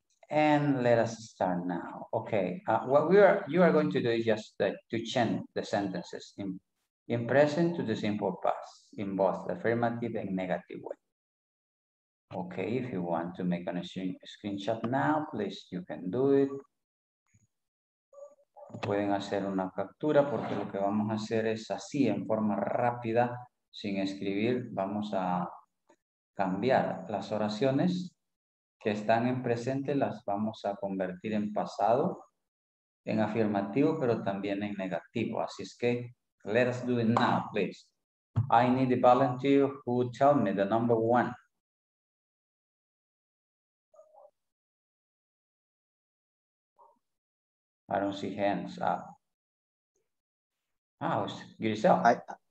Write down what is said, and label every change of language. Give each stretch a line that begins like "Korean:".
English: And let us start now. Okay, what you are going to do is just to change the sentences in present to the simple past in both the affirmative and negative way. Okay, if you want to make a screenshot now, please, you can do it.
Spanish: Pueden hacer una captura porque lo que vamos a hacer es así, en forma rápida, sin escribir, vamos a cambiar las oraciones que están en presente, las vamos a convertir en pasado, en afirmativo, pero también en negativo. Así es que,
English: let us do it now, please. I need a volunteer who tell me the number one. I don't see hands up. Oh, it's Giselle.